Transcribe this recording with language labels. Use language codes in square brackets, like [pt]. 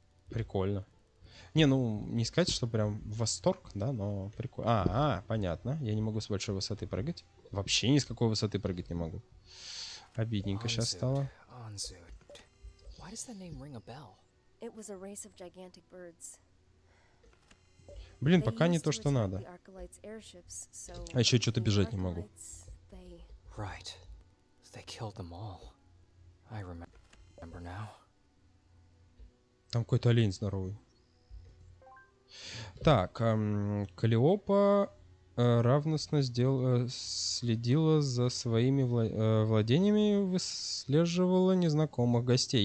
[ru] Прикольно. Не, ну, не сказать, что прям восторг, да, но прикольно. А, понятно. Я не могу с большой высоты прыгать. Вообще ни с какой высоты прыгать не могу. Обидненько сейчас стало. Anzut. [en] Why does that name ring a bell? It was a race of gigantic birds. [ru] Блин, пока не то, что надо. А еще что-то бежать не могу. [en] Right. They killed them all. I remember now. [ru] Там какой-то олень здоровый. Так, Калиопа равностно следила за своими владениями, выслеживала незнакомых гостей.